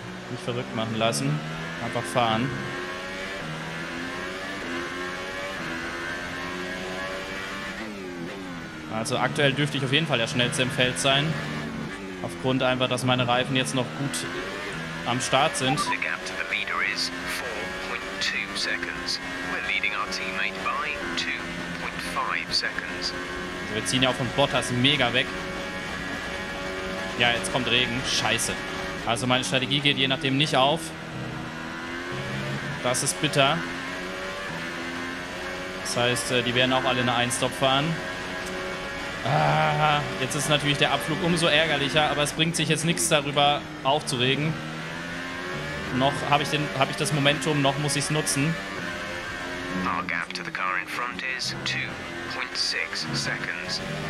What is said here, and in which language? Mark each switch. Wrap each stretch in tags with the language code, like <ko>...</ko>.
<de>Nicht verrückt machen lassen. Einfach fahren. Also aktuell dürfte ich auf jeden Fall der schnellste im Feld sein. Aufgrund einfach, dass meine Reifen jetzt noch gut am Start sind.</de> <en>The gap to the leader is 4.2 seconds. We're leading our teammate by 2.5 seconds.</en> <de>Also wir ziehen ja auch von Bottas mega weg. Ja, jetzt kommt Regen. Scheiße. Also meine Strategie geht je nachdem nicht auf. Das ist bitter. Das heißt, die werden auch alle in eine 1-Stop fahren. Ah, jetzt ist natürlich der Abflug umso ärgerlicher, aber es bringt sich jetzt nichts darüber aufzuregen. Noch habe ich den, habe ich das Momentum, noch muss ich es nutzen.</de> <en>Our gap to the car in front is 2.6 seconds.</en>